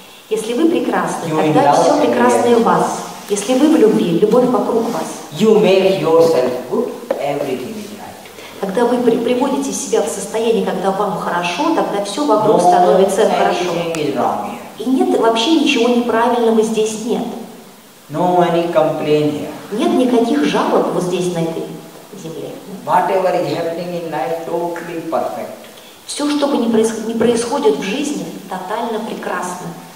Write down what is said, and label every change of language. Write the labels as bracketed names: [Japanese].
[Russian] Если вы прекрасны, тогда все прекрасное у вас. Если вы в любви, любовь вокруг вас. [English] You make yourself good, everything is right. [Russian] Тогда вы приводите себя в состояние, когда вам хорошо, тогда все вокруг становится хорошо. И нет вообще ничего неправильного здесь нет. [English] No any complaint here. [Russian] Нет никаких жалоб вот здесь, на этой земле. [English] Whatever is happening in life, totally perfect. Все, что бы ни происходит в жизни, тотально прекрасно.